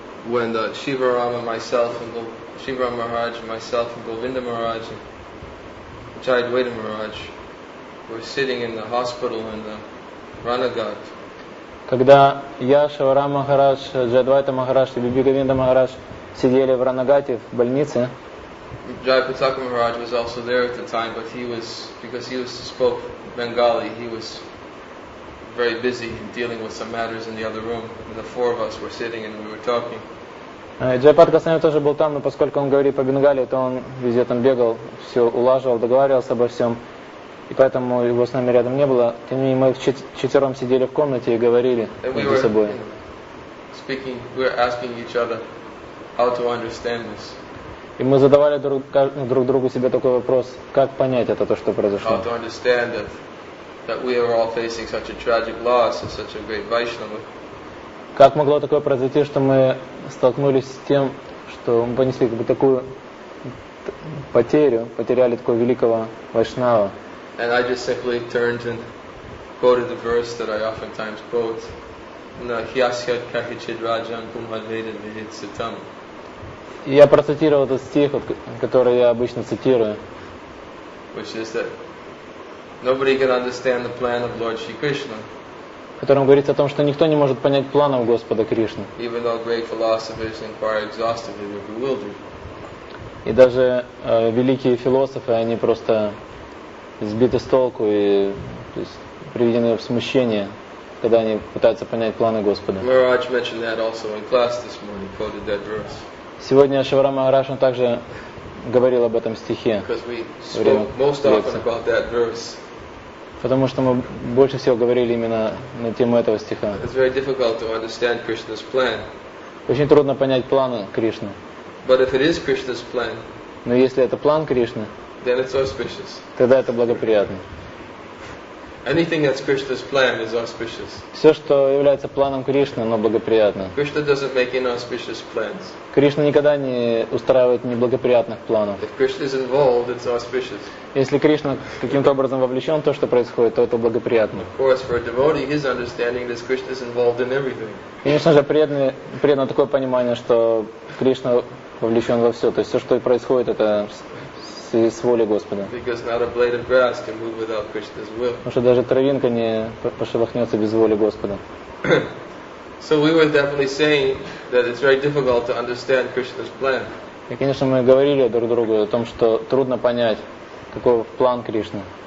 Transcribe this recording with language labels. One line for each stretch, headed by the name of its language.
English: When the Shivarama myself and Shivarama Maharaj and myself and Govinda Maharaj and Jayadvaita Maharaj were sitting in the hospital in the Ranagat.
Russian: Когда я, Шиварама Махарадж, Джайадвайта Махарадж и Биби Говинда Махарадж сидели в Ранагате, в больнице,
English: Джайапитака Махарадж was also there at the time, but he was, because he was, spoke Bengali, he was very busy dealing with some matters in the other room. And the four of us were sitting and we were talking.
Russian: Джайапитака Махарадж тоже был там, но поскольку он говорил по-бенгали, то он везде там бегал, все улаживал, договаривался обо всем. И поэтому его с нами рядом не было. Тем не менее, мы вчетвером сидели в комнате и говорили между собой.
English: Speaking, we were asking each other how to understand this.
Russian: И мы задавали друг другу себе такой вопрос, как понять это, то, что произошло.
English: How to understand that we are all facing such a tragic loss and such a great Vaishnava.
Russian: Как могло такое произойти, что мы столкнулись с тем, что мы понесли как бы такую потерю, потеряли такого великого Вайшнава.
English: And I just simply turned and quoted the verse that I oftentimes quote.
Sanskrit: Nahyasyat kahichid rajan pumhadvedan vihit sitam.
Russian: Я процитировал этот стих, который я обычно цитирую.
English: Which is that nobody can understand the plan of Lord Shri Krishna.
Russian: В котором говорится о том, что никто не может понять планов Господа Кришны.
English: Even though great philosophers inquire exhaustively, they're bewildered.
Russian: И даже великие философы, они просто сбиты с толку и то есть, приведены в смущение, когда они пытаются понять планы Господа.
English: Maharaj mentioned that also in class this morning, quoted that verse.
Russian: Сегодня Шивара Махарадж также говорил об этом стихе.
English: Because we spoke most often about that verse.
Russian: Потому что мы больше всего говорили именно на тему этого стиха.
English: It's very difficult to understand Krishna's plan.
Russian: Очень трудно понять планы Кришны.
English: But if it is Krishna's plan,
Russian: но если это план Кришны,
English: then it's auspicious.
Russian: Тогда это благоприятно.
English: Anything that's Krishna's plan is auspicious.
Russian: Все, что является планом Кришны, оно благоприятно.
English: Krishna doesn't make inauspicious plans.
Russian: Кришна никогда не устраивает неблагоприятных планов.
English: If Krishna is involved, it's auspicious.
Russian: Если Кришна каким-то образом вовлечен в то, что происходит, то это благоприятно.
English: Of course, for a devotee, his understanding is Krishna is involved in everything.
Russian: Конечно же, преданно такое понимание, что Кришна вовлечен во все. То есть все, что происходит, это и с волей Господа.
English: Because not a blade of grass can move without Krishna's will.
Russian: Потому что даже травинка не пошелохнется без воли Господа.
English: So we were definitely saying that it's very difficult to understand Krishna's plan.
Russian: И, конечно, мы говорили друг другу о том, что трудно понять, какой план Кришны.